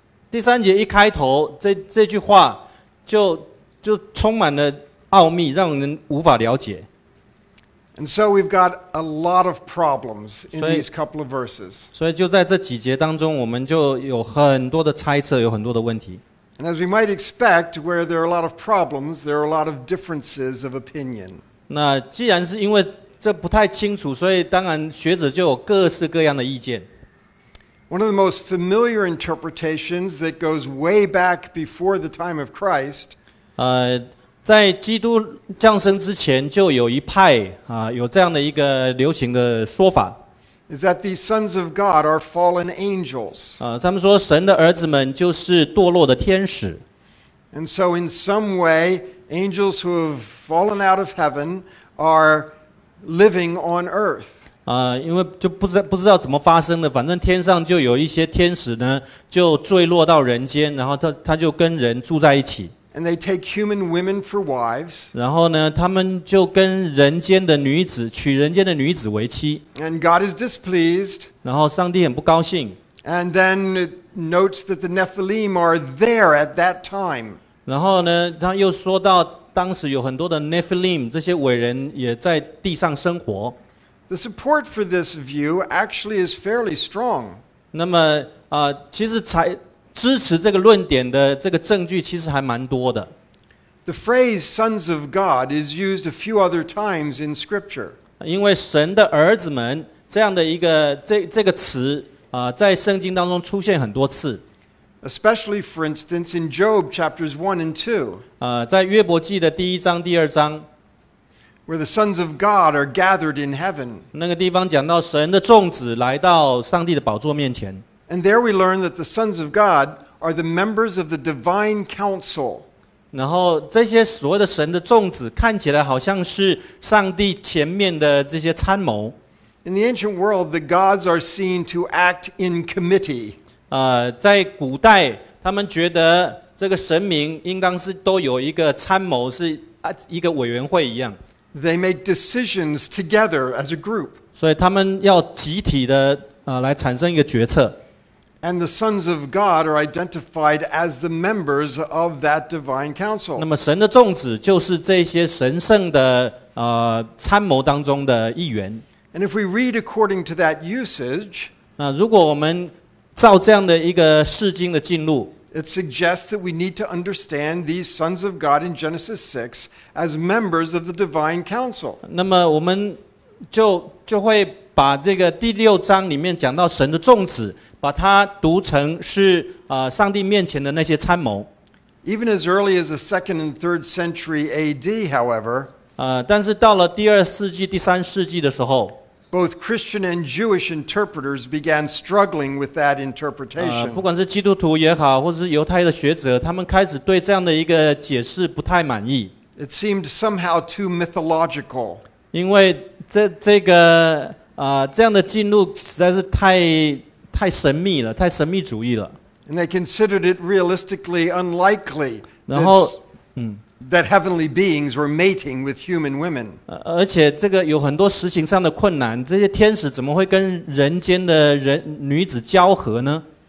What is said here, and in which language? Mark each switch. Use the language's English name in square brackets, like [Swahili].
[Chinese] 第三节一开头 这句话 就充满了奥秘，让人无法了解。 [English] And so we've got a lot of problems in these couple of verses. [Chinese] 所以就在这几节当中，我们就有很多的猜测，有很多的问题。 [English] And as we might expect, where there are a lot of problems, there are a lot of differences of opinion. [Chinese] 那既然是因为这不太清楚，所以当然学者就有各式各样的意见。 [English] One of the most familiar interpretations that goes way back before the time of Christ. [Chinese] 在基督降生之前就有一派有这样的一个流行的说法。 [English] Is that these sons of God are fallen angels? [Chinese] 他们说神的儿子们就是堕落的天使。 [English] And so in some way, angels who have fallen out of heaven are living on earth. [Chinese] 因为就不知道怎么发生的，反正天上就有一些天使呢，就坠落到人间，然后他就跟人住在一起。 [English] And they take human women for wives. [Chinese] 然后呢，他们就跟人间的女子娶人间的女子为妻。 [English] And God is displeased. [Chinese] 然后上帝很不高兴。 [English] And then it notes that the Nephilim are there at that time. [Chinese] 然后呢，他又说到当时有很多的 Nephilim 这些伟人也在地上生活。 [English] The support for this view actually is fairly strong. [Chinese] 那么其实才支持这个论点的这个证据其实还蛮多的。 [English] The phrase "sons of God" is used a few other times in Scripture. [Chinese] 因为神的儿子们这样的一个这个词在圣经当中出现很多次。 [English] Especially, for instance, in Job chapters 1 and 2. [Chinese] 在约伯记的第一章、第二章。 [English] Where the sons of God are gathered in heaven. [Chinese] 那个地方讲到神的众子来到上帝的宝座面前。 [English] And there we learn that the sons of God are the members of the divine council. [Chinese] 然后这些所谓的神的众子看起来好像是上帝前面的这些参谋。 [English] In the ancient world, the gods are seen to act in committee. [Chinese] 在古代他们觉得这个神明应当是都有一个参谋，是一个委员会一样。 [English] They make decisions together as a group. [Chinese] 所以他们要集体的来产生一个决策。 [English] And the sons of God are identified as the members of that divine council. [Chinese] 那么神的众子就是这些神圣的参谋当中的一员。 [English] And if we read according to that usage, [Chinese] 那如果我们照这样的一个释经的进入， [English] it suggests that we need to understand these sons of God in Genesis 6 as members of the divine council. [Chinese] 那么我们就会把这个第六章里面讲到神的众子，把它读成是上帝面前的那些参谋。 [English] Even as early as the 2nd and 3rd century AD, however, [Chinese] 但是到了第二世纪、第三世纪的时候， [English] both Christian and Jewish interpreters began struggling with that interpretation. [Chinese] 不管是基督徒也好，或是犹太的学者，他们开始对这样的一个解释不太满意。 [English] It seemed somehow too mythological. [Chinese] 因为这个这样的进入实在是太神秘了，太神秘主义了。 [English] And they considered it realistically unlikely. [Chinese] 然后， [English] That heavenly beings were mating with human women. [Chinese] 而且这个有很多实行上的困难，这些天使怎么会跟人间的人女子交合呢？